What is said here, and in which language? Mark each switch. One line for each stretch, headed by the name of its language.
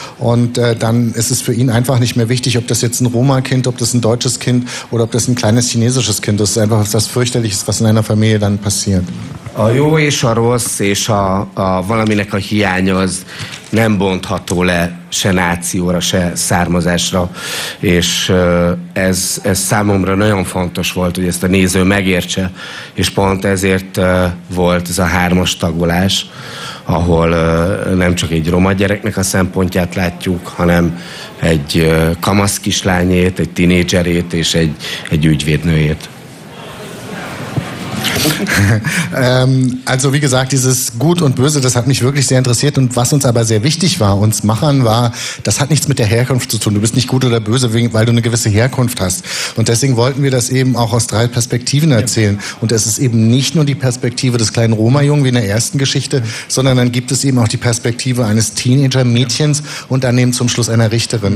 German: Und dann ist es für ihn einfach nicht mehr wichtig, ob das jetzt ein Roma-Kind, ob das ein deutsches Kind oder ob das ein kleines chinesisches Kind ist. Es ist einfach etwas Fürchterliches, was in einer Familie dann passiert.
Hungarian: A jó és a rossz és a valaminek a hiánya az nem bontható le se nációra, se származásra, és ez számomra nagyon fontos volt, hogy ezt a néző megértse, és pont ezért volt ez a hármas tagolás, ahol nem csak egy roma gyereknek a szempontját látjuk, hanem egy kamasz kislányét, egy tinédzserét és egy ügyvédnőjét.
German: Also wie gesagt, dieses Gut und Böse, das hat mich wirklich sehr interessiert. Und was uns aber sehr wichtig war, uns Machern war, das hat nichts mit der Herkunft zu tun. Du bist nicht gut oder böse, weil du eine gewisse Herkunft hast. Und deswegen wollten wir das eben auch aus drei Perspektiven erzählen. Und es ist eben nicht nur die Perspektive des kleinen Roma-Jungen wie in der ersten Geschichte, sondern dann gibt es eben auch die Perspektive eines Teenager-Mädchens und dann eben zum Schluss einer Richterin.